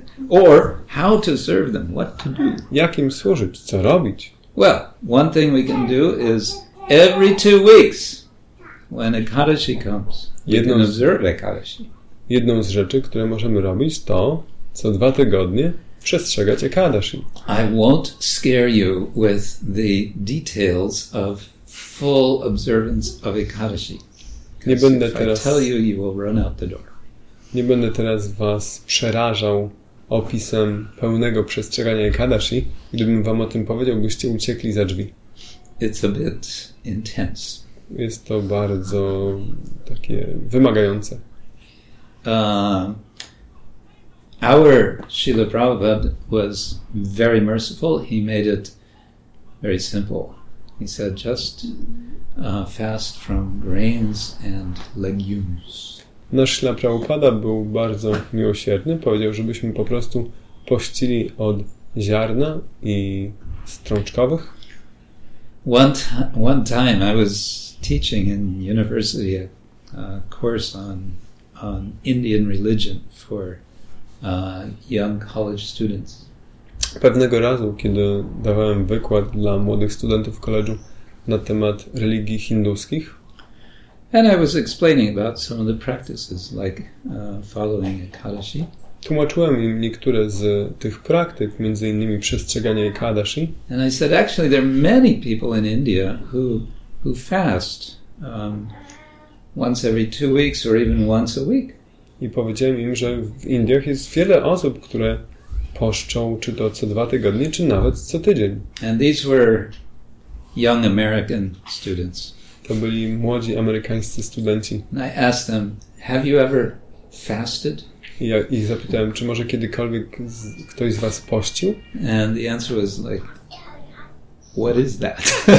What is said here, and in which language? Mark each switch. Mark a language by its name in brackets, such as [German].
[English] Or how to serve them? What to do? [Polish] Jak im służyć? Co robić? [English] Well, one thing we can do is every 2 weeks when Ekadashi comes, jedną we can observe Ekadashi. [Polish] Jedną z rzeczy, które możemy robić, to co 2 tygodnie przestrzegać Ekadashi. [English] I won't scare you with the details of full observance of Ekadashi. [Polish] Nie będę teraz. [English] If I tell you, you will run out the door. [Polish] Nie będę teraz was przerażał opisem pełnego przestrzegania Ekadashi. Gdybym wam o tym powiedział, byście uciekli za drzwi. [English] It's a bit intense. [Polish] Jest to bardzo takie wymagające. [English] Our Srila Prabhupada was very merciful. He made it very simple. He said, just fast from grains and legumes. [Polish] Nasz Srila Prabhupada był bardzo miłosierny. Powiedział, żebyśmy po prostu pościli od ziarna i strączkowych. [English] One time I was teaching in university a course on Indian religion for young college students. [Polish] Pewnego razu, kiedy dawałem wykład dla młodych studentów w koledżu na temat religii hinduskich, [English] and I was explaining about some of the practices, like following Ekadashi. [Polish] Tłumaczyłem im niektóre z tych praktyk, między innymi przestrzeganie Ekadashi. [English] And I said, actually, there are many people in India who fast once every 2 weeks or even once a week. [Polish] I powiedziałem im, że w Indiach jest wiele osób, które poszczą czy to co 2 tygodnie, czy nawet co tydzień. [English] And these were young American students. [Polish] To byli młodzi amerykańscy studenci. [English] And I asked them, have you ever fasted? [Polish] I ja ich zapytałem, czy może kiedykolwiek ktoś z was pościł? [English] And the answer was like, what is that?